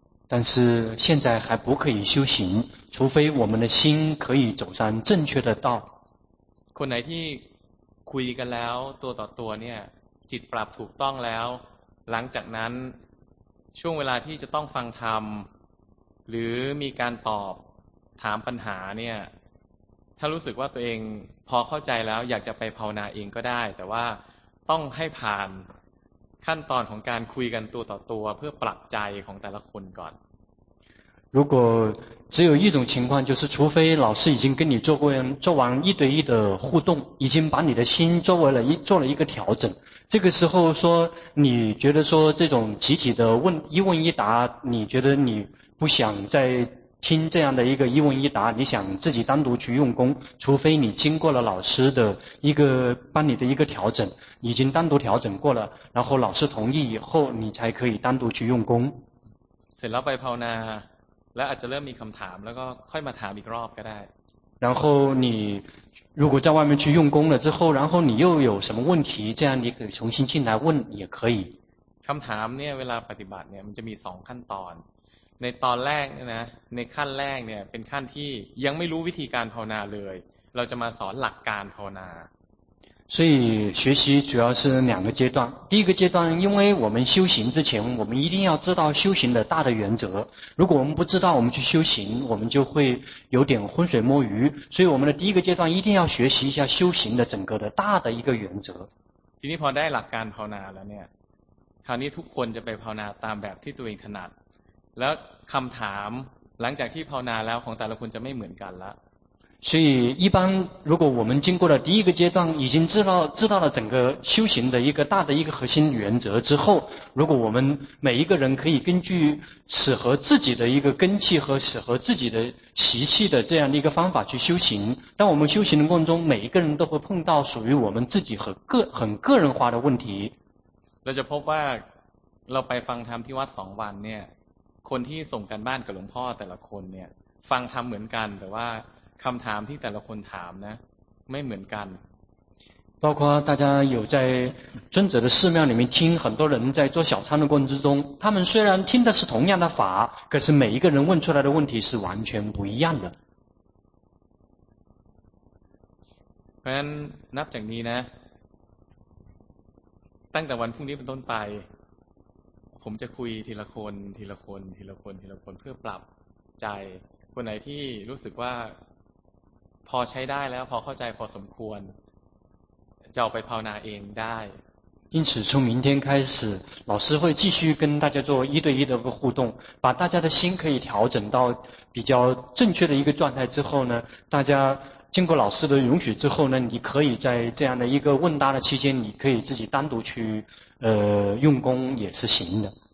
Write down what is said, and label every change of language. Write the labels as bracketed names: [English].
[Chinese] 但是现在还不可以修行除非我们的心可以走上正确的道 [Thai] คนไหนที่คุยกันแล้วตัวต่อตัวเนี่ยจิตปรับถูกต้องแล้วหลังจากนั้นช่วงเวลาที่จะต้องฟังธรรมหรือมีการตอบถามปัญหาเนี่ยถ้ารู้สึกว่าตัวเองพอเข้าใจแล้วอยากจะไปภาวนาเองก็ได้แต่ว่าต้องให้ผ่านขั้นตอนของการคุยกันตัวต่อตัวเพื่อปรับใจของแต่ละคนก่อน [Chinese] 如果只有一种情况就是除非老师已经跟你做完一对一的互动已经把你的心做了一个调整这个时候说你觉得说这种集体的一问一答你觉得你不想再听这样的一个一问一答你想自己单独去用功除非你经过了老师的一个帮你的一个调整已经单独调整过了然后老师同意以后你才可以单独去用功谁老白跑呢 [Thai] แล้วอาจจะเริ่มมีคำถามแล้วก็ค่อยมาถามอีกรอบก็ได้ [Chinese] 然后你如果在外面去用功了之后然后你又有什么问题这样你可以重新进来问也可以 [Thai] คำถามเนี่ยเวลาปฏิบัติเนี่ยมันจะมี2ขั้นตอนในตอนแรกนะในขั้นแรกเนี่ยเป็นขั้นที่ยังไม่รู้วิธีการภาวนาเลยเราจะมาสอนหลักการภาวนา [Chinese] 所以学习主要是两个阶段第一个阶段因为我们修行之前我们一定要知道修行的大的原则如果我们不知道我们去修行我们就会有点浑水摸鱼所以我们的第一个阶段一定要学习一下修行的整个的大的一个原则 [Thai] ทีนี้พอได้หลักการภาวนาแล้วเนี่ยคราวนี้ทุกคนจะไปภาวนาตามแบบที่ตัวเองถนัดแล้วคำถามหลังจากที่ภาวนาแล้วของแต่ละคนจะไม่เหมือนกันละ [Chinese] 所以一般如果我们经过了第一个阶段已经知道了整个修行的一个大的一个核心原则之后如果我们每一个人可以根据适合自己的一个根气和适合自己的习气的这样的一个方法去修行当我们修行的过程中每一个人都会碰到属于我们自己和很个人化的问题 [Thai] เราจะพบว่าเราไปฟังธรรมที่วัด2วันเนี่ย คนที่ส่งการบ้านกับหลวงพ่อแต่ละคนเนี่ยฟังธรรมเหมือนกันแต่ว่าคำถามที่แต่ละคนถามนะไม่เหมือนกัน [Chinese] 包括大家有在尊者的寺庙里面听很多人在做小餐的过程之中他们虽然听的是同样的法可是每一个人问出来的问题是完全不一样的 [Thai] เพราะฉะนั้นนับจากนี้นะตั้งแต่วันพรุ่งนี้เป็นต้นไปผมจะคุยทีละคนทีละคนทีละคนทีละคนเพื่อปรับใจคนไหนที่รู้สึกว่าพอใช้ได้แล้วพอเข้าใจพอสมควรจะไปภาวนาเองได้ [Chinese] 因此从明天开始老师会继续跟大家做一对一的互动把大家的心可以调整到比较正确的一个状态之后呢大家经过老师的允许之后呢你可以在这样的一个问答的期间你可以自己单独去用功也是行的